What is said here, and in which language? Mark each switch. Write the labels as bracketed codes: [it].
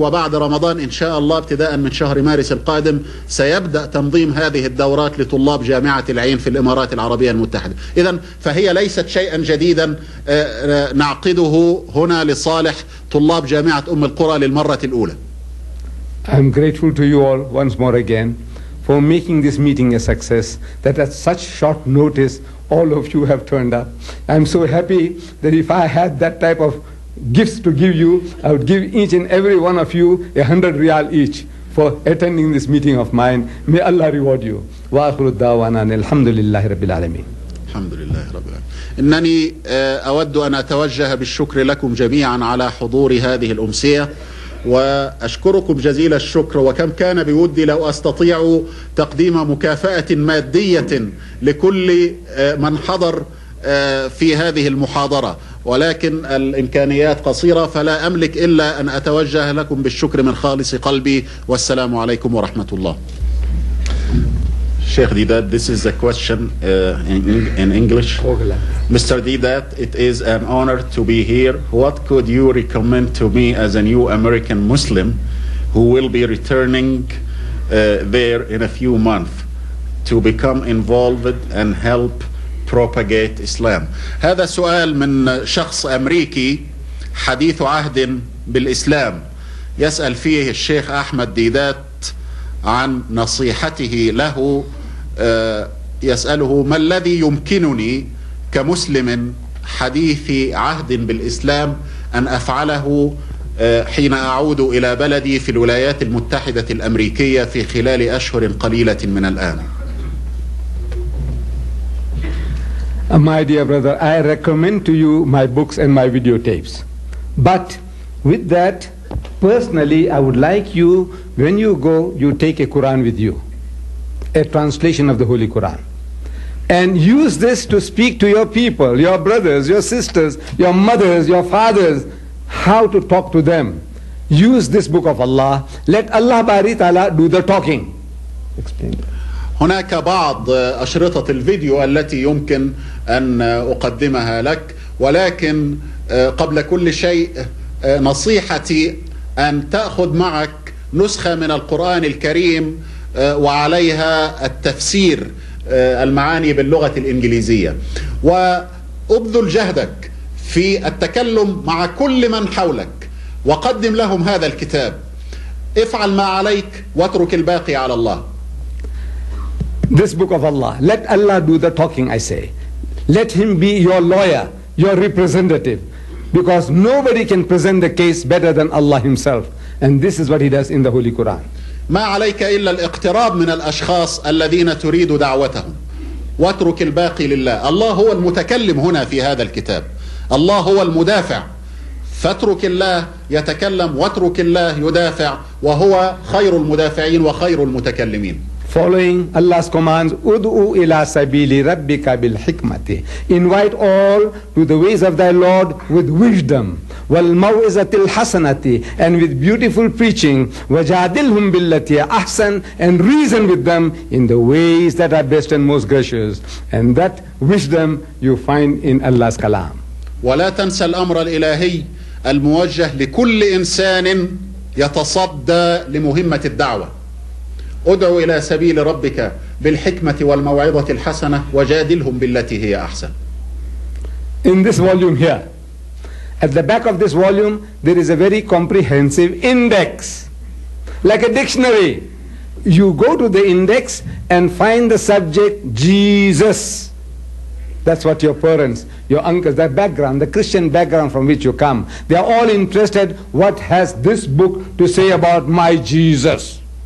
[ar] وبعد رمضان إن شاء الله ابتداء من شهر مارس القادم سيبدأ تنظيم هذه الدورات لطلاب جامعة العين في الإمارات العربية المتحدة. إذن فهي ليست شيئا جديدا نعقده هنا لصالح طلاب جامعة أم القرى للمرة الأولى. [en] I'm grateful to you all once more again for making this meeting a success, that at such short notice all of you have turned up. I'm so happy that if I had that type of gifts to give you, I would give each and every one of you 100 riyal each for attending this meeting of mine. May Allah reward you. [ar] Wa akhiru da'wana alhamdulillahi rabbil alamin. Alhamdulillahi rabbil alamin. Innani awaddu an atawajjaha bishukri lakum jami'an ala huduri hadhihi al-umsiyah. وأشكركم جزيل الشكر، وكم كان بودي لو أستطيع تقديم مكافأة مادية لكل من حضر في هذه المحاضرة، ولكن الإمكانيات قصيرة فلا أملك إلا أن أتوجه لكم بالشكر من خالص قلبي. والسلام عليكم ورحمة الله. [en] Sheikh Didat, this is a question in English. Mr. Didat, it is an honor to be here. What could you recommend to me as a new American Muslim who will be returning there in a few months to become involved and help propagate Islam? [ar] هذا سؤال من شخص أمريكي حديث عهد بالإسلام، يسأل فيه الشيخ أحمد ديدات عن نصيحته له. يسأله ما الذي يمكنني كمسلم حديث عهد بالإسلام أن أفعله حين أعود إلى بلدي في الولايات المتحدة الأمريكية في خلال أشهر قليلة من الآن. [en] My dear brother, I recommend to you my books and my videotapes. But with that, personally, I would like you, when you go, you take a Quran with you. A translation of the Holy Quran, and use this to speak to your people, your brothers, your sisters, your mothers, your fathers, how to talk to them. Use this book of Allah. Let Allah Bari Ta'ala do the talking. [ar] هناك بعض أشرطة الفيديو التي يمكن أن أقدمها لك، ولكن قبل كل شيء نصيحتي أن تأخذ معك نسخة من القرآن الكريم وعليها التفسير المعاني باللغة الإنجليزية، وأبذل جهدك في التكلم مع كل من حولك وقدم لهم هذا الكتاب. افعل ما عليك واترك الباقي على الله. [en] This book of Allah, let Allah do the talking, I say. Let him be your lawyer, your representative, because nobody can present the case better than Allah himself, and this is what he does in the Holy Quran. [ar] ما عليك إلا الاقتراب من الأشخاص الذين تريد دعوتهم واترك الباقي لله. الله هو المتكلم هنا في هذا الكتاب، الله هو المدافع، فاترك الله يتكلم واترك الله يدافع، وهو خير المدافعين وخير المتكلمين. [en] Following Allah's commands, [ar] ادعو إلى سبيل ربك بالحكمة. [en] Invite all to the ways of thy Lord with wisdom. [ar] والموعظة الحسنة [en] and with beautiful preaching. [ar] وجادلهم بالتي أحسن [en] and reason with them in the ways that are best and most gracious. And that wisdom you find in Allah's kalam. [ar] ولا تنسى الأمر الإلهي الموجه لكل إنسان يتصدى لمهمة الدعوة. ادعو إلى سبيل ربك بالحكمة والموعظة الحسنة وجادلهم بالتي هي أحسن. [en] In this volume here, at the back of this volume, there is a very comprehensive index, like a dictionary. You go to the index and find the subject Jesus. That's what your parents, your uncles, their background, the Christian background from which you come, they are all interested, what has this book to say about my Jesus?